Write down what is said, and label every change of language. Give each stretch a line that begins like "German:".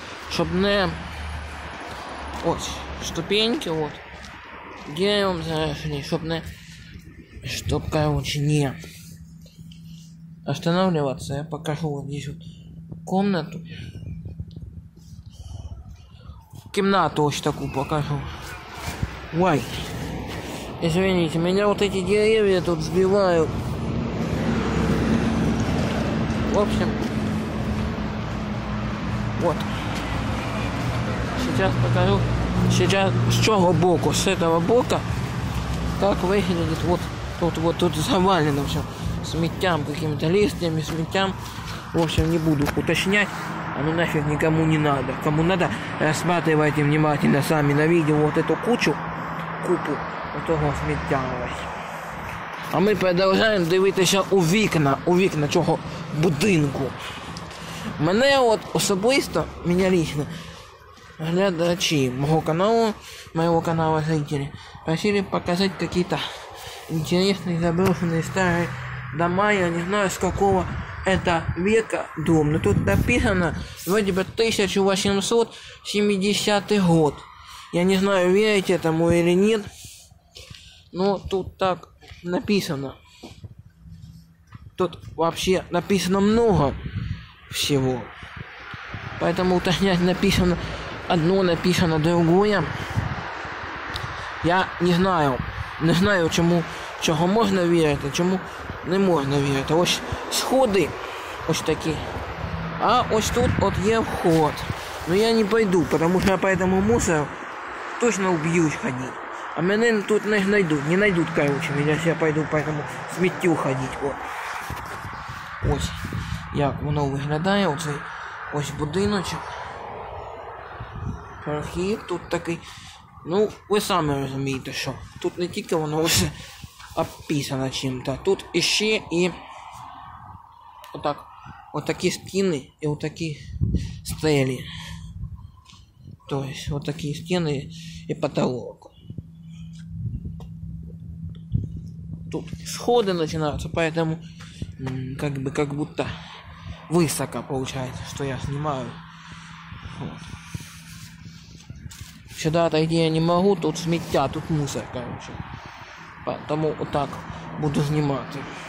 Ukrainian: Щоб не ось
Russian: ступеньки от деревом зарешені, щоб не чтоб, короче, не останавливаться, я покажу вот здесь вот комнату.
Ukrainian: Кімнату ось таку покажу. Ой.
Russian: Извините, меня вот эти деревья тут сбивают. В общем. Вот. Сейчас покажу. Сейчас с чего боку? С этого бока. Как выглядит вот. Тут завалено все сметям, какими-то листьями, сметям. В общем, не буду уточнять. Оно нафиг никому не надо. Кому надо, рассматривайте внимательно сами на видео вот эту купу этого сметя. А мы продолжаем
Ukrainian: дивитися у вікна чого будинку. Мене от особисто, мене
Russian: лично, глядачі моего канала зрителі, просили показати какие-то интересные заброшенные старые дома. Я не знаю, с какого это века дом, но тут написано вроде бы 1870 год. Я не знаю, верить этому или нет, но тут так написано. Тут вообще написано много всего, поэтому уточнять, написано одно, написано другое. Я не знаю,
Ukrainian: чому. Чого можна вірити, чому не можна вірити. Ось сходи, ось такі. А ось тут от є вход.
Russian: Ну я не пойду,
Ukrainian: тому що я по цьому мусору точно вб'юсь ходити.
Russian: А меня тут не найдут, не найдут, короче, я себе пойду по этому сметю ходить, вот.
Ukrainian: Ось, як воно виглядає, оцей, ось будиночок. Прохід тут такий, ну, ви самі розумієте, що тут не тільки воно ось описано чим-то, тут іще і отак, отакі стіни і отакі стелі. Тобто, отакі стіни і потолок. Тут сходи починаються,
Russian: поэтому как бы как будто высоко получается, что я снимаю. Вот. Сюда отойти я не могу, тут сметя, тут мусор, короче. Поэтому вот так буду сниматься.